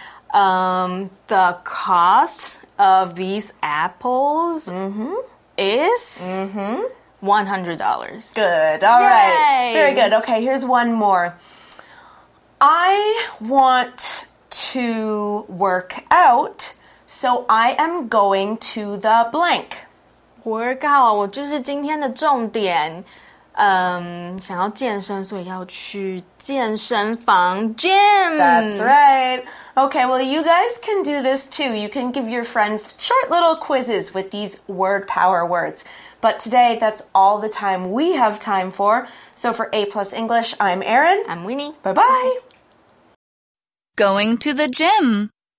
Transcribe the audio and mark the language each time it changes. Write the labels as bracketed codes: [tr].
[en] The cost of these apples is $100. Good. All right. Very good. Okay, here's one more. I want... to work out, so I am going to the blank. [zh] Work out, 我就是今天的重点。想要健身，所以要去健身房 gym. [en] That's right. Okay, well, you guys can do this too. You can give your friends short little quizzes with these word power words. But today, that's all the time we have time for. So for A Plus English, I'm Erin. I'm Winnie. Bye bye. Going to the gym.